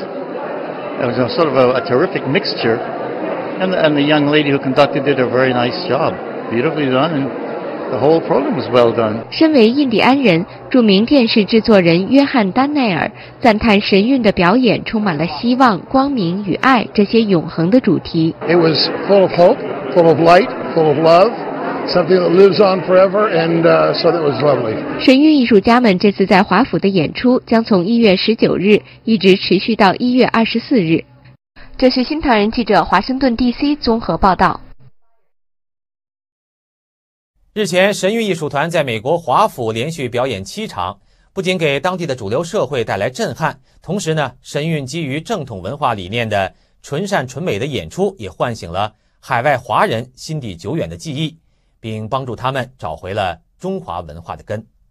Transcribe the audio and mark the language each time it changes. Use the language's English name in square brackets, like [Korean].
[English] It was sort of a terrific mixture, and the young lady who conducted did a very nice job. Beautifully done, and the whole program was well done. [Chinese] 身为印第安人，著名电视制作人约翰·丹奈尔赞叹神韵的表演充满了希望、光明与爱这些永恒的主题。 [English] It was full of hope, full of light, full of love. Something that lives on forever, and so that was lovely. [Chinese] 神韵艺术家们这次在华府的演出将从1月19日一直持续到1月24日。这是新唐人记者华盛顿 DC 综合报道。日前，神韵艺术团在美国华府连续表演7场，不仅给当地的主流社会带来震撼，同时呢，神韵基于正统文化理念的纯善纯美的演出也唤醒了海外华人心底久远的记忆，并帮助他们找回了中华文化的根。